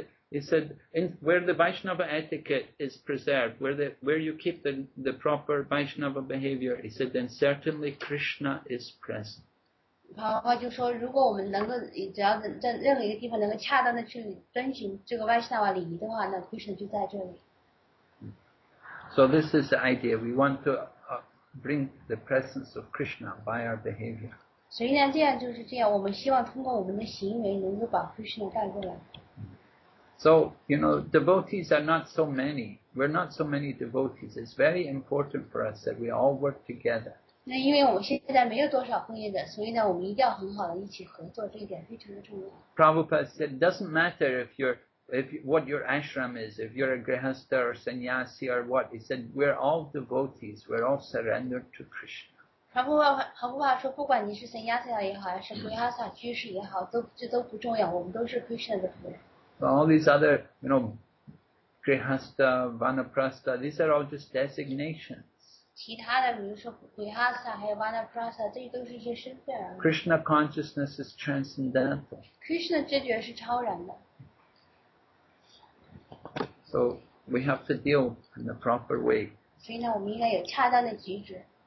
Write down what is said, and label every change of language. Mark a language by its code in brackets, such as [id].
[en] He said, in where the Vaishnava etiquette is preserved, where you keep the proper Vaishnava behavior, he said, then certainly Krishna is present. [zh] 就说如果我们能够只要在任何一个地方能够恰当的去遵循这个 Vaishnava 礼仪的话，那 Krishna 就在这里。 [en] So this is the idea. We want to bring the presence of Krishna by our behavior. [zh] 所以呢，这样就是这样。我们希望通过我们的行为能够把 Krishna 带过来。 [en] So you know, devotees are not so many. We're not so many devotees. It's very important for us that we all work together. [zh] 那因为我们现在没有多少朋友的，所以呢，我们一定要很好的一起合作，这一点非常的重要。 [en] Prabhupada said, doesn't matter what your ashram is, if you're a grihastha or sannyasi or what. He said, we're all devotees, we're all surrendered to Krishna. [zh] Prabhupada 说，不管你是 sannyasi 也好，还是 grihastha 居士也好，这都不重要，我们都是 Krishna 的仆人。 [en] But all these other, you know, grihastha, vanaprastha, these are all just designations. [zh] 其他的，比如说维哈萨还有瓦纳普拉萨，这些都是一些身份。 [en] Krishna consciousness is transcendental. [zh] Krishna 知觉是超然的。 [en] So we have to deal in the proper way. [zh] 所以呢，我们应该有恰当的举止。